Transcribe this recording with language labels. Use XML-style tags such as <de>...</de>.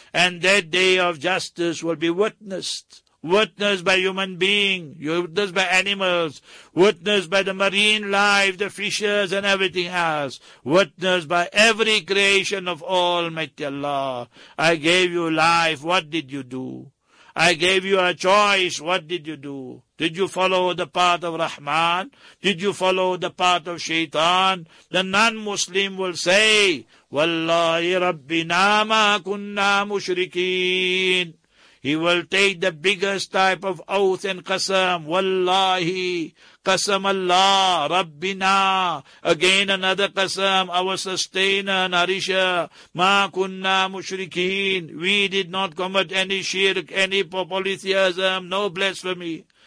<en>And that day of justice will be witnessed. Witnessed by human being, witnessed by animals, witnessed by the marine life, the fishes and everything else, witnessed by every creation of Almighty Allah. I gave you life, what did you do? I gave you a choice, what did you do? Did you follow the path of Rahman? Did you follow the path of Shaitan? The non-Muslim will say,</en> <ar>وَاللَّهِ رَبِّنَا مَا كُنَّا مُشْرِكِينَ.</ar> <en>He will take the biggest type of oath and qasam. Wallahi, qasam Allah, Rabbina. Again another qasam, our sustainer, nourisher. Ma kunna mushrikeen. We did not commit any shirk, any polytheism, no blasphemy.</en>